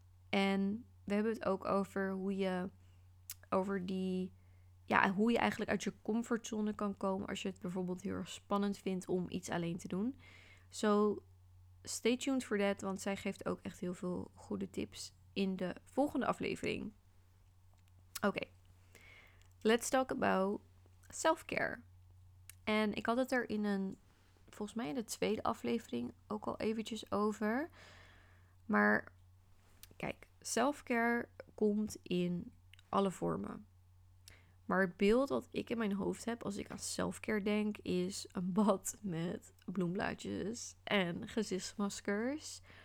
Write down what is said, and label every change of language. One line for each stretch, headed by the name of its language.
Dutch: En we hebben het ook over hoe je over die, ja, hoe je eigenlijk uit je comfortzone kan komen als je het bijvoorbeeld heel erg spannend vindt om iets alleen te doen.
English: So, stay tuned for that,
Dutch: want zij geeft ook echt heel veel goede tips in de volgende aflevering.
English: Oké, let's talk about self-care.
Dutch: En ik had het er in een, volgens mij in de tweede aflevering ook al eventjes over. Maar kijk, self-care komt in alle vormen. Maar het beeld wat ik in mijn hoofd heb als ik aan self-care denk is een bad met bloemblaadjes en gezichtsmaskers.